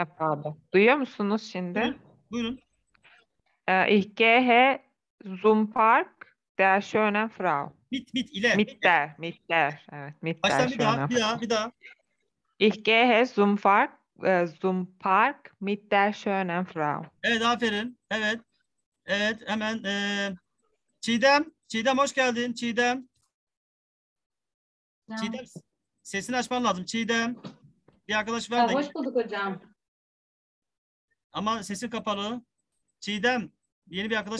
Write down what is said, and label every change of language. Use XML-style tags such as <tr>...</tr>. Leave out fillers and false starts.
<tr>Abi, duyuyor musunuz şimdi? Buyurun.</tr> <de>Ich gehe zum Park der schönen Frau.</de> <tr>Mit ile.</tr> <de>Mit der.</de> <tr>Evet,</tr> <de>mit der.</de> <tr>Bir daha.</tr> <de>Ich gehe zum Park mit der schönen Frau.</de> <tr>Evet, aferin. Evet. Evet, hemen Çiğdem hoş geldin. Çiğdem. Ya. Çiğdem sesini açman lazım. Çiğdem. Bir arkadaş var da. Hoş bulduk hocam. Ama sesin kapalı. Çiğdem, yeni bir arkadaş</tr>